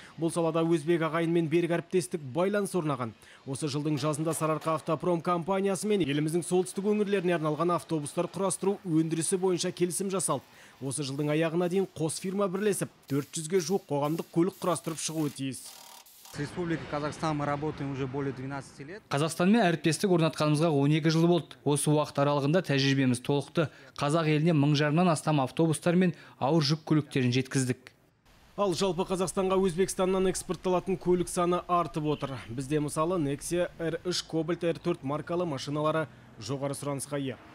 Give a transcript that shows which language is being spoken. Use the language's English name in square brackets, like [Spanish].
[Kazakh] Бұл салада өзбек ағайынмен берік әріптестік байланыс орнаған. Осы жылдың жазында Сарыарқа автопром компаниясы мен еліміздің солтүстік өңірлеріне арналған автобустар құрастыру өндірісі бойынша келісім жасалды. Осы жылдың аяғына дейін қос фирма бірлесіп 400-ге жуық қоғамдық көлік құрастырып шығуы тиіс. [Russian] С Республикой Казахстан мы работаем уже более 12 лет. [Kazakh] Казахстанмен әріптестік орнатқанымызға 12 жыл болды. Осы уақыт аралығында тәжірибеміз толықты. Қазақ еліне 1000-нан астам автобустар мен ауыр жүк көліктерін жеткіздік. Ал жалпы Қазақстанға Өзбекстаннан экспортталатын көлік саны артып отыр. Бізде мысалы Nexia R3, Cobalt R4 маркалы машиналары жоғары сұранысқа ие.